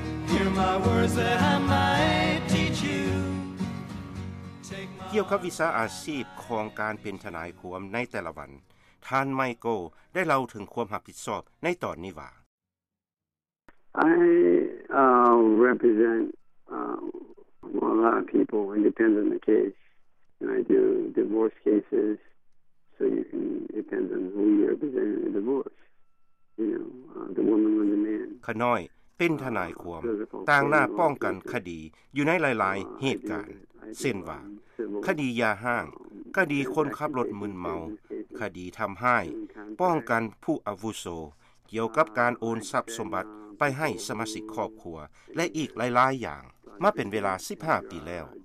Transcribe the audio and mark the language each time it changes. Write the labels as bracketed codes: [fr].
[en] Hear my words that I might teach you [th] เกี่ยวกับวิชาอาชีพของการเป็นทนายความในแต่ละวันท่านไมเคิลได้เล่าถึงความรับผิดชอบในตอนนี้ว่า [en] I represent a lot of people and depends on the case and I do divorce cases so you can depends on who you represent in a divorce you know the woman or the man [th] ขน้อยเป็นทนายความต่างหน้าป้องกันคดีอยู่ในหลายๆเหตุการณ์เช่นว่าคดียาห้างคดีคนขับรถมึนเมาคดีทําให้ป้องกันผู้อาวุโสเกี่ยวกับการโอนทรัพย์สมบัติไปให้สมาชิกครอบครัวและอีกหลายๆอย่างมาเป็นเวลา15ปีแล้ว